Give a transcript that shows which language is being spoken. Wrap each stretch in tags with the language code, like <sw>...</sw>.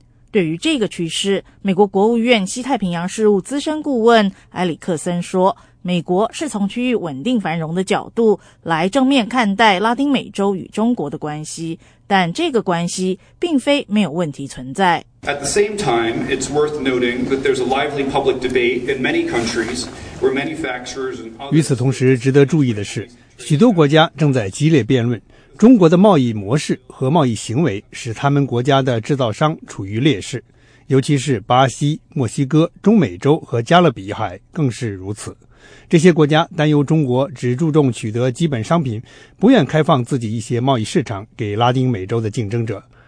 <zh>对于这个趋势，美国国务院西太平洋事务资深顾问埃里克森说，美国是从区域稳定繁荣的角度来正面看待拉丁美洲与中国的关系，但这个关系并非没有问题存在。</zh> <en>At the same time, it's worth noting that there's a lively public debate in many countries where manufacturers and others.</en> <zh>与此同时，值得注意的是，许多国家正在激烈辩论中国的贸易模式和贸易行为使他们国家的制造商处于劣势，尤其是巴西、墨西哥、中美洲和加勒比海更是如此。这些国家担忧中国只注重取得基本商品，不愿开放自己一些贸易市场给拉丁美洲的竞争者，</zh>